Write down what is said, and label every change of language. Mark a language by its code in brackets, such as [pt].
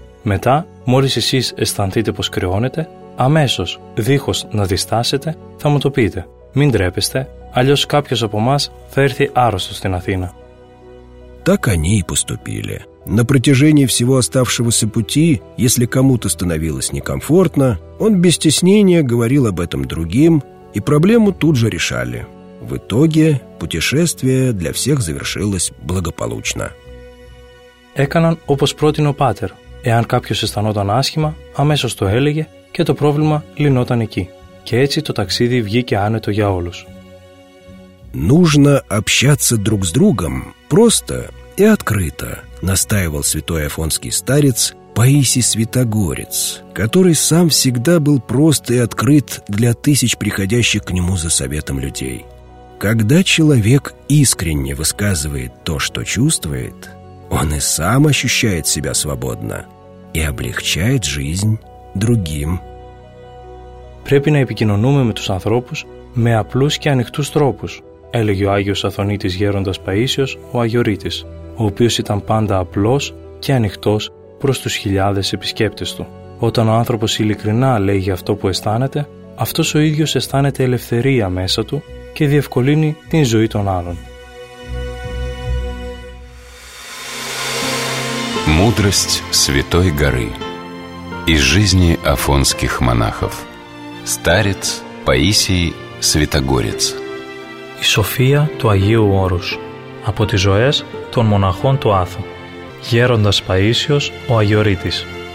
[el] Μετά, μόλις εσείς αισθανθείτε πως κρυώνετε, αμέσως, δίχως να διστάσετε, θα μου το πείτε. Μην ντρέπεστε, αλλιώς κάποιος από εμάς θα έρθει άρρωστος στην Αθήνα». [ru] Так они и поступили. На протяжении всего оставшегося пути, если кому-то становилось некомфортно, он без стеснения говорил об этом другим, и проблему тут же решали. В итоге путешествие для всех завершилось благополучно. [el] Έκαναν όπως πρότεινε ο Πάτερ. Εάν κάποιος αισθανόταν άσχημα, αμέσως το έλεγε και το πρόβλημα λυνόταν εκεί. Και έτσι το ταξίδι βγήκε άνετο για όλους. [ru] «Нужно общаться друг с другом просто и открыто», настаивал святой афонский старец Паисий Святогорец, который сам всегда был прост и открыт для тысяч приходящих к нему за советом людей. «Когда человек искренне высказывает то, что чувствует, он и сам ощущает себя свободно и облегчает жизнь другим». [el] «Препи на эпикинонуме ме тус анθρώπους ме аплус ке анихтус тропус», έλεγε ο Άγιος Αθωνίτης Γέροντας Παΐσιος, ο Αγιορείτης, ο οποίος ήταν πάντα απλός και ανοιχτός προς τους χιλιάδες επισκέπτες του. Όταν ο άνθρωπος ειλικρινά λέγει αυτό που αισθάνεται, αυτός ο ίδιος αισθάνεται ελευθερία μέσα του και διευκολύνει την ζωή των άλλων. [ru] Мудрость Святой Горы из жизни афонских монахов. Старец Паисий Святогорец. [el] Η σοφία του Αγίου Όρους από τις ζωές των μοναχών του Άθου. Γέροντας Παΐσιος, ο Αγιορείτης.